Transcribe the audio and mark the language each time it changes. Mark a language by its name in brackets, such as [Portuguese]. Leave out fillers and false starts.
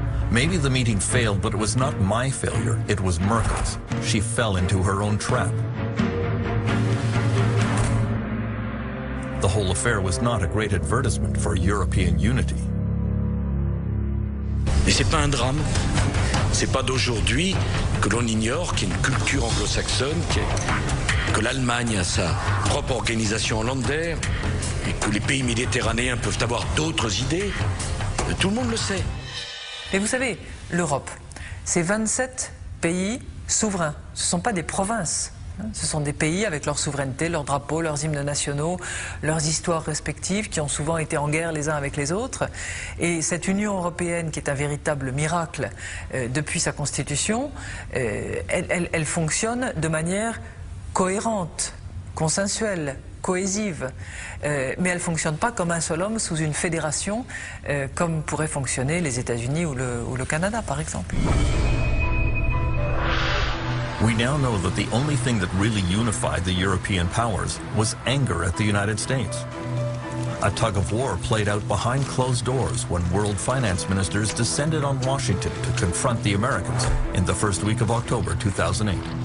[English] Maybe the meeting failed, but it was not my failure, it was Merkel's. She fell into her own trap. The whole affair was not a great advertisement for European unity. [French] Et c'est pas un drame. C'est pas d'aujourd'hui que l'on ignore qu'il y a une culture anglo-saxonne, que l'Allemagne a sa propre organisation hollandaise, et que les pays méditerranéens peuvent avoir d'autres idées. Tout le monde le sait. Mais vous savez, l'Europe, c'est 27 pays souverains. Ce sont pas des provinces. Ce sont des pays avec leur souveraineté, leurs drapeaux, leurs hymnes nationaux, leurs histoires respectives qui ont souvent été en guerre les uns avec les autres. Et cette Union européenne qui est un véritable miracle depuis sa constitution, elle fonctionne de manière cohérente, consensuelle, cohésive. Mais elle ne fonctionne pas comme un seul homme sous une fédération comme pourraient fonctionner les États-Unis ou le Canada par exemple. [English] We now know that the only thing that really unified the European powers was anger at the United States. A tug of war played out behind closed doors when world finance ministers descended on Washington to confront the Americans in the first week of October 2008.